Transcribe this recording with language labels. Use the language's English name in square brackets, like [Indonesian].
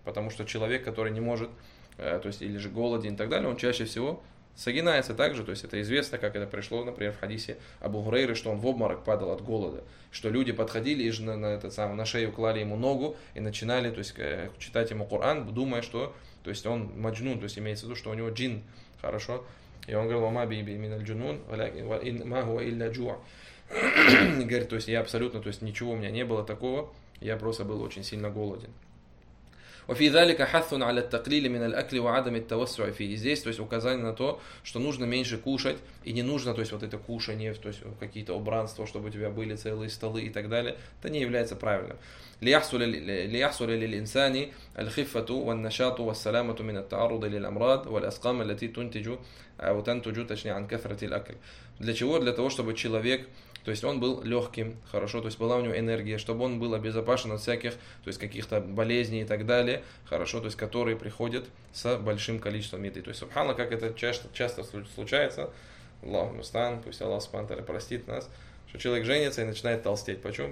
[Russian] Потому что человек, который не может, то есть или же голоден и так далее, он чаще всего согинается также, то есть это известно, как это пришло, например, в хадисе Абу Хурейры, что он в обморок падал от голода, что люди подходили и же на шею клали ему ногу и начинали, то есть читать ему Коран, думая, что, то есть он маджнун, то есть имеется в виду, что у него джин, хорошо, и он говорил: [Arabic] «Ма биби мин аль-джунун, ма хуа илля джуа». [Russian] Говорит, то есть я абсолютно, то есть ничего у меня не было такого, я просто был очень сильно голоден. [Arabic] وفي ذلك حث على التقليل من الأكل وعدم التوسع فيه. [Russian] Здесь, то есть, указание на то, что нужно меньше кушать и не нужно, то есть, вот это кушание, то есть, какие-то убранства, чтобы у тебя были целые столы и так далее, это не является правильным. [Arabic] ليحصل للإنسان الخفة والنشاط والسلامة من التعرض للأمراض والأسقام التي تنتج أو تنتج [Russian] точнее [Arabic] عن كثرة الأكل. [Russian] Для чего? Для того, чтобы человек, то есть он был легким, хорошо, то есть была у него энергия, чтобы он был обезопасен от всяких, то есть каких-то болезней и так далее, хорошо, то есть которые приходят с большим количеством еды. То есть, субхана, как это часто случается, [Arabic] Аллаху мустан, [Russian] пусть Аллах спантали простит нас, что человек женится и начинает толстеть. Почему?